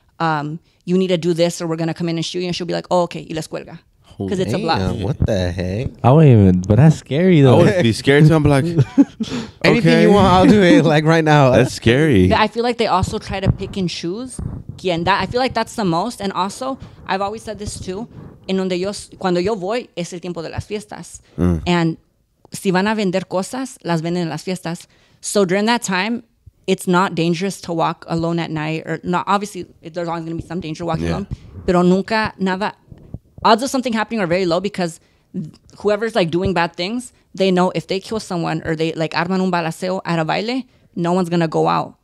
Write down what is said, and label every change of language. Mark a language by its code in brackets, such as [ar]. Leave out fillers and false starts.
[en] You need to do this or we're going to come in and shoot you. And she'll be like, oh, okay, [es] y la escuelga. [en] Because it's a bluff. What the heck? I won't even, but that's scary though. I would be scared to. I'm like, okay. Anything you want, I'll do it like right now. That's scary. But I feel like they also try to pick and choose. [es] Quien da. [en] I feel like that's the most. And also, I've always said this too. [es] En donde yo, cuando yo voy, es el tiempo de las fiestas. Mm. And si van a vender cosas, las venden en las fiestas. [en] So during that time, it's not dangerous to walk alone at night. Or not. Obviously, there's always going to be some danger walking alone. [es] Pero nunca nada. [en] Odds of something happening are very low because whoever's like doing bad things, they know if they kill someone or they like [es] arman un balaceo [en] at a baile, no one's going to go out.